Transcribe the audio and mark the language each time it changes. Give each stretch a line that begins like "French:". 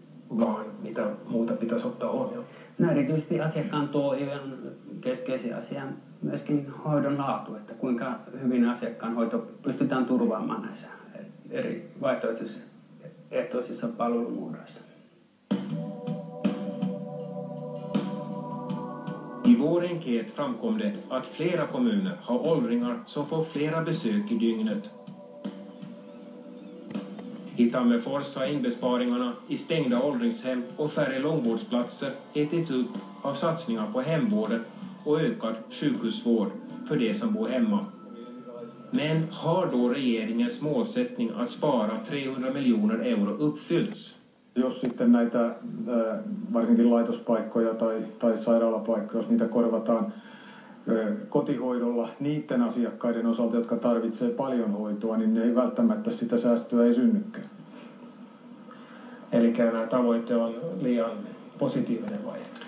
Finnish: Vaan mitä muuta pitäisi ottaa huomioon? No erityisesti asiakkaan tuo ihan keskeisen asian myöskin hoidon laatu, että kuinka hyvin asiakkaan hoito pystytään turvaamaan näissä eri vaihtoehtoisissa palvelumuodoissa.
Swedish: I vår enkät framkom det att flera kommuner har åldringar som får flera besök i dygnet. I Tammerfors har inbesparingarna i stängda åldringshem och färre långvårdsplatser ätit upp av satsningar på hemvården och ökad sjukhusvård för de som bor hemma. Men har då regeringens målsättning att spara 300 miljoner euro uppfyllts?
Finnish: Jos sitten näitä varsinkin laitospaikkoja tai sairaalapaikkoja, jos niitä korvataan kotihoidolla niiden asiakkaiden osalta, jotka tarvitsee paljon hoitoa, niin ne ei välttämättä sitä säästöä ei synnykään. Eli nämä tavoitteet on liian positiivinen vai?